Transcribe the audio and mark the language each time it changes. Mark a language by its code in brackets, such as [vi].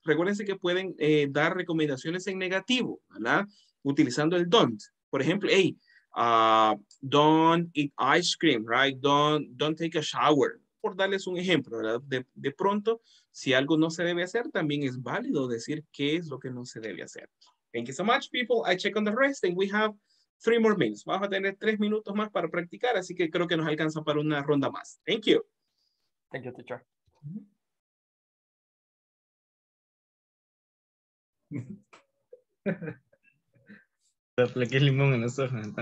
[es] Recuérdense que pueden dar recomendaciones en negativo, ¿verdad? Utilizando el don't. Por ejemplo, [en] hey, don't eat ice cream, right? Don't take a shower. [es] Por darles un ejemplo, ¿verdad? De pronto, si algo no se debe hacer, también es válido decir qué es lo que no se debe hacer. [en] Thank you so much, people. I check on the rest and we have 3 more minutes. [es] Vamos a tener 3 minutos más para practicar, así que creo que nos alcanza para una ronda más. [en] Thank you. Thank you, teacher. [es] Le apliqué limón en los ojos.